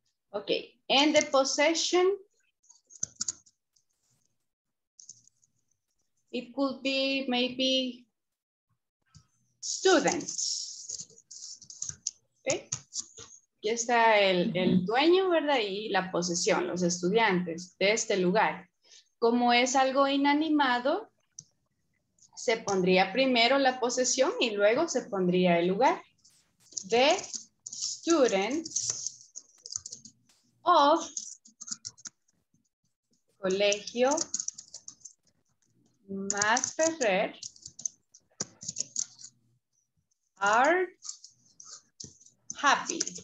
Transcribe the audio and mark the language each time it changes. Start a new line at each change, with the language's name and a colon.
English: Ok, and the possession, it could be maybe students.
Spanish: Okay. Aquí está el dueño, ¿verdad? Y la posesión, los estudiantes de este lugar. Como es algo inanimado, se pondría primero la posesión y luego se pondría el lugar.
English: The students of colegio Mas Ferrer are happy.